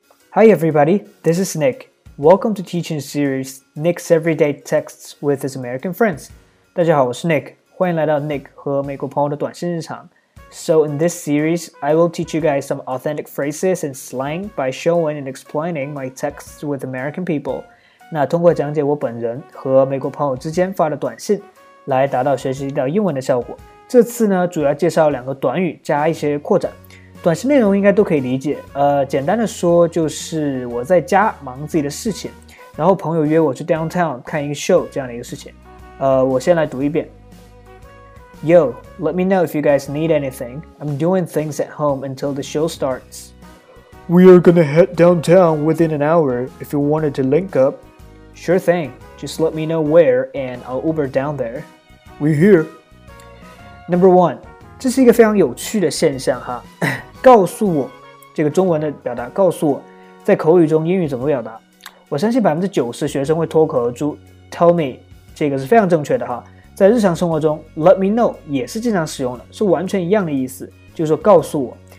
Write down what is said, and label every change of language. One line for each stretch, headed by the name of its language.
English: Hi everybody, this is Nick. Welcome to teaching series Nick's Everyday Texts with his American Friends.
Chinese: 大家好，我是 Nick， 欢迎来到 Nick 和美国朋友的短信日常。
English: So in this series, I will teach you guys some authentic phrases and slang by showing and explaining my texts with American people.
Chinese: 那通过讲解我本人和美国朋友之间发的短信，来达到学习到英文的效果。这次呢，主要介绍两个短语加一些扩展。短信内容应该都可以理解，简单的说就是我在家忙自己的事情，然后朋友约我去 downtown 看一个 show 这样的一个事情。我先来读一遍。
English: Yo, let me know if you guys need anything. I'm doing things at home until the show starts. We are gonna head downtown within an hour if you wanted to link up. Sure thing. Just let me know where and I'll Uber down there. We're here. Number one,
Chinese: 这是一个非常有趣的现象哈。告诉我，这个中文的表达，告诉我，在口语中英语怎么表达？我相信90%学生会脱口而出
English: "Tell me"，
Chinese: 这个是非常正确的哈。在日常生活中 ，
English: "Let me know"
Chinese: 也是经常使用的，是完全一样的意思，就是说告诉我。